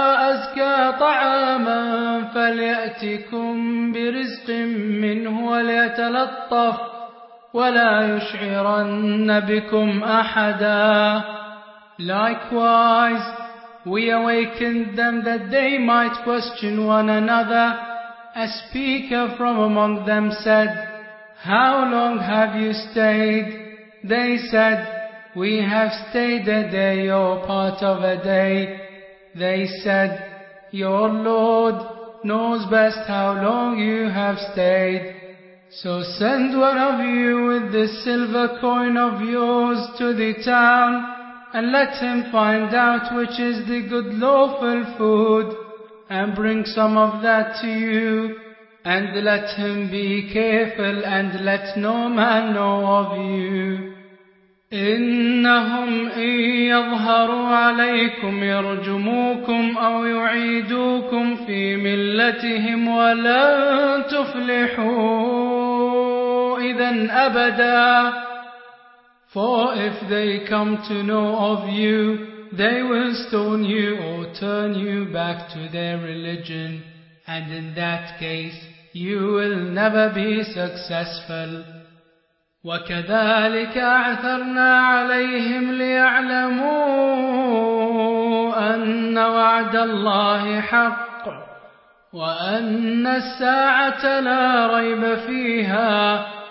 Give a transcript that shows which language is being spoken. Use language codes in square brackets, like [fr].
[ar] أزكى طعاما فليأتكم برزق منه وليتلطف ولا يشعرن بكم أحدا. [en] Likewise, we awakened them that they might question one another. A speaker from among them said, How long have you stayed? They said, We have stayed a day or part of a day. They said, Your Lord knows best how long you have stayed. So send one of you with this silver coin of yours to the town and let him find out which is the good lawful food. And bring some of that to you. And let him be careful and let no man know of you. [ar] إنهم إن يظهروا عليكم يرجموكم أو يعيدوكم في ملتهم ولن تفلحوا إذا أبدا. [en] For if they come to know of you, they will stone you or turn you back to their religion, and in that case you will never be successful. [ar] وكذلك أعثرنا عليهم ليعلموا أن وعد الله حق وأن الساعة لا ريب فيها